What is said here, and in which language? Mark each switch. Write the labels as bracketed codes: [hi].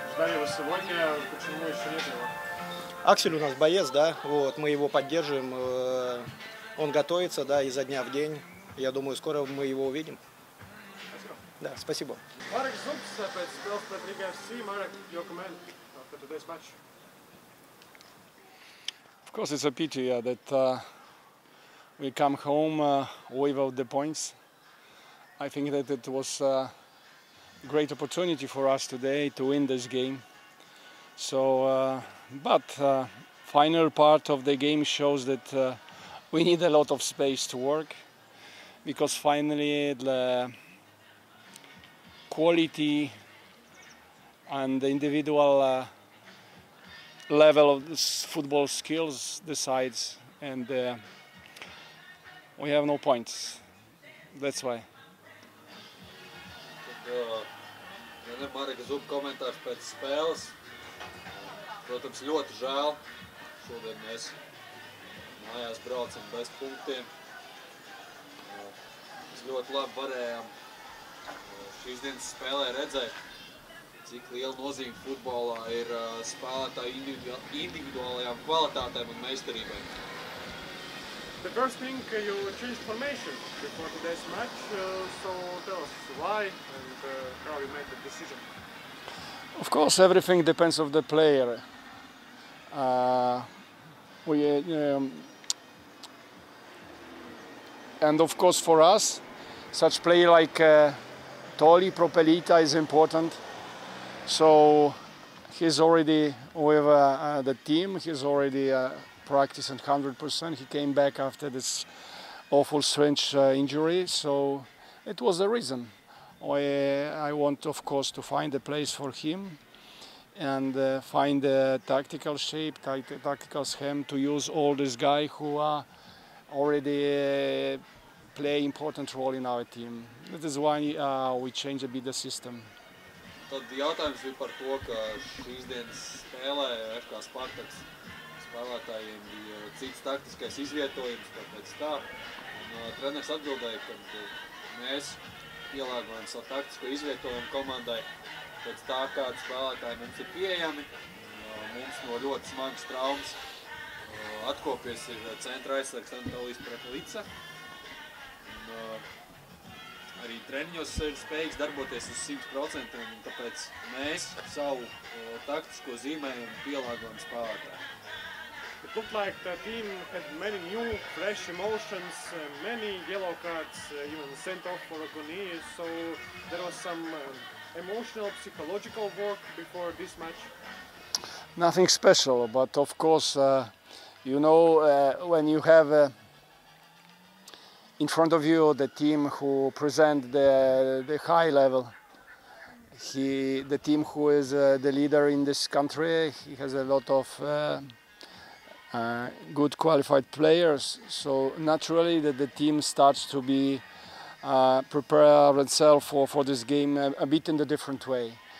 [ru] Ждали его сегодня. Почему еще нет его? Аксель у нас боец, да. Вот, мы его поддерживаем. Он готовится, да, изо дня в день. Я думаю, скоро мы его увидим. Спасибо. Да, спасибо. Марек Зубц опять спел в Патрике FC. [en] Марек, your comment after today's match? Of course, it's a pity, yeah, that we come home without the points. I think that it was great opportunity for us today to win this game. So, but final part of the game shows that we need a lot of space to work, because finally the quality and the individual level of football skills decides, and we have no points. That's why. [lv] Ja ne, Marek Zub komentārs pēc spēles. Protams, ļoti žēl. Šodien mēs mājās braucam bez punktiem. Mēs ļoti labi varējām šīs dienas spēlē redzēt, cik liela nozīme futbolā ir spēlētāju individuālajām kvalitātēm un meistarībai. [en] The first thing, you changed formation before today's match, so tell us why and how you made the decision. Of course, everything depends on the player. And of course for us, such player like Toli Propelita is important. So he's already with the team, he's already practicing 100%. He came back after this awful strange injury, so it was the reason. I want, of course, to find a place for him and find a tactical shape, tactical scheme to use all these guys who are already play important role in our team. That is why we change a bit the system. [lv] Tad jautājums bija par to, ka šīsdienas spēlē FK Spartaks spēlētājiem bija cits taktiskais izvietojums, tāpēc tā. Treneris atbildēja, ka mēs pielāgojam savu taktisko izvietojumu komandai pēc tā, kāda spēlētāji mums ir pieejami. Mums no ļoti smagas traumas atkopies ir centra aizsargs Anatolijs Pretlica. Arī treniņos ir spējīgs darboties uz 100%, un tāpēc mēs savu taktisko zīmējumu pielāgojam spēlētāju. [en] It looked like the team had many new, fresh emotions, many yellow cards, even sent off for Agonie, so there was some emotional, psychological work before this match? Nothing special, but of course, you know, when you have in front of you the team who present the high level, the team who is the leader in this country, he has a lot of good qualified players, so naturally that the team starts to be prepare itself for this game a bit in a different way.